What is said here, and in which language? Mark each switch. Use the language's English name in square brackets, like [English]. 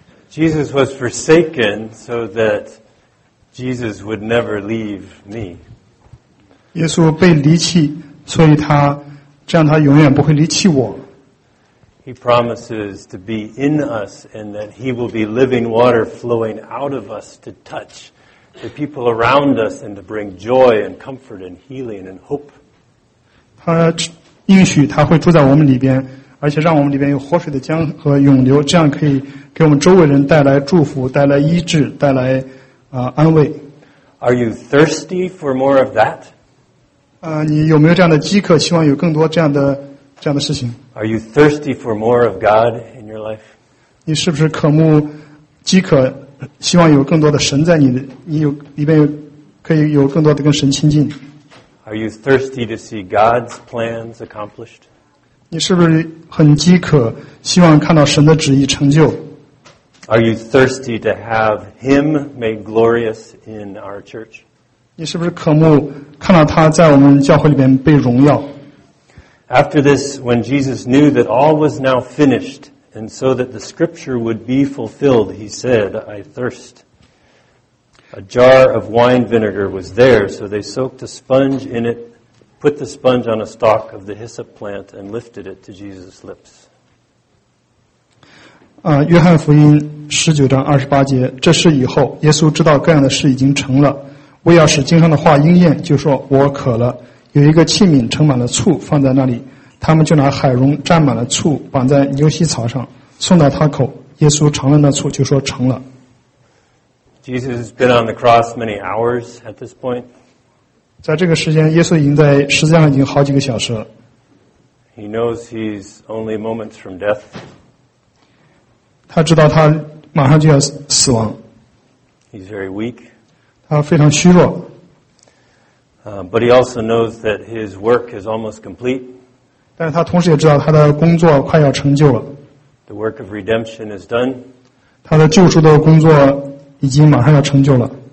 [English] Jesus was forsaken so that Jesus would never leave me. [Chinese] 耶稣被离弃，所以他这样他永远不会离弃我。 [English] He promises to be in us and that he will be living water flowing out of us to touch the people around us and to bring joy and comfort and healing and hope. [Chinese] 他应许他会住在我们里边，而且让我们里边有活水的江和涌流，这样可以给我们周围人带来祝福，带来医治，带来安慰。 [English] Are you thirsty for more of that? [Chinese] 你有没有这样的饥渴，希望有更多这样的事情？ [English] Are you thirsty for more of God in your life? [Chinese] 你是不是渴慕饥渴，希望有更多的神在你有里面可以有更多的跟神亲近？ [English] Are you thirsty to see God's plans accomplished? [Chinese] 你是不是很饥渴，希望看到神的旨意成就？ [English] Are you thirsty to have him made glorious in our church? [Chinese] 你是不是渴慕看到他在我们教会里面被荣耀？ [English] After this, when Jesus knew that all was now finished, and so that the scripture would be fulfilled, he said, I thirst. A jar of wine vinegar was there, so they soaked a sponge in it, put the sponge on a stalk of the hyssop plant, and lifted it to Jesus' lips. [Chinese] 约翰福音十九章二十八节，这事以后，耶稣知道各样的事已经成了，为要使经上的话应验，就说我渴了。有一个器皿盛满了醋放在那里，他们就拿海蓉沾满了醋绑在牛膝草上送到他口，耶稣尝了那醋就说成了。 [English] Jesus has been on the cross many hours at this point. [Chinese] 在这个时间耶稣已经在十字架上已经好几个小时了。 [English] He knows he's only moments from death. [Chinese] 他知道他马上就要死亡。 [English] He's very weak. [Chinese] 他非常虚弱。 [English] But he also knows that his work is almost complete. [Chinese] 但是他同时也知道他的工作快要成就了。 [English] The work of redemption is done. [Chinese] 他的救赎的工作已经马上要成就了。